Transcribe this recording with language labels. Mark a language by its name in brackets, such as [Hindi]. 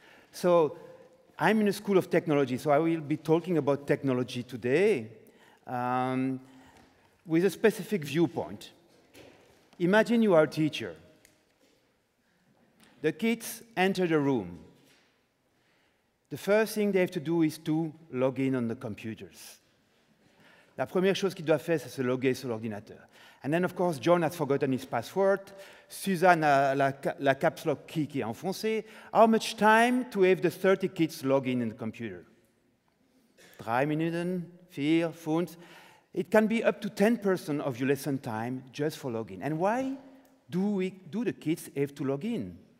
[English] So I'm in a school of technology, so I will be talking about technology today with a specific viewpoint. Imagine you are a teacher. The kids enter the room. The first thing they have to do is to log in on the computers. [French] La première chose qu'ils doivent faire, c'est se loguer sur l'ordinateur. [English] And then, of course, John has forgotten his password. [French] Suzanne a la caps lock key qui est enfoncée. [English] How much time to have the 30 kids log in the computer? 3 minutes, 4 minutes. It can be up to 10% of your lesson time just for login. And why do the kids have to log in?